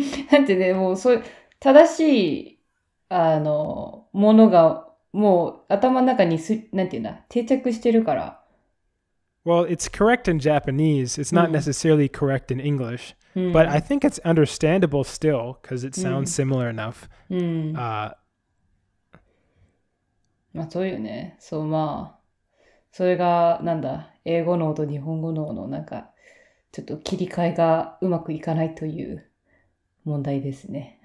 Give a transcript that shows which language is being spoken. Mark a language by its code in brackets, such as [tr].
[ja] なんてね、もうそれ、正しい、あの、ものが、もう頭の中にす、なんていうんだ、定着してるから。 [en] Well, it's correct in Japanese. It's not necessarily correct in English. But I think it's understandable still because it sounds similar enough. [ja] まあそういうね。そう、まあ、それがなんだ、英語脳と日本語脳のなんかちょっと切り替えがうまくいかないという問題ですね。